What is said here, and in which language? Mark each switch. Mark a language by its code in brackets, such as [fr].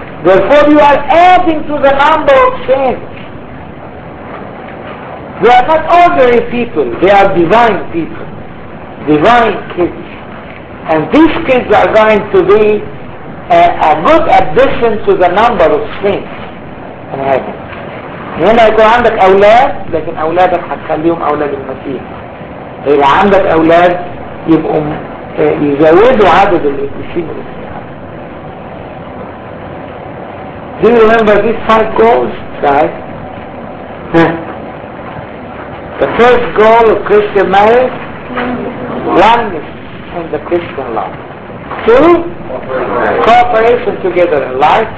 [en] Therefore, you are adding to the number of saints. They are not ordinary people, they are divine people, divine kids. And these kids are going to be a good addition to the number of saints in heaven. [ar] هنا يكون عندك أولاد لكن أولادك هتخليهم أولاد المسيح. إذا عندك أولاد يبقوا يزودوا عدد القديسين المسيح. [en] Do you remember these five goals, guys? The first goal of Christian marriage, oneness in the Christian love. Two, cooperation together in life.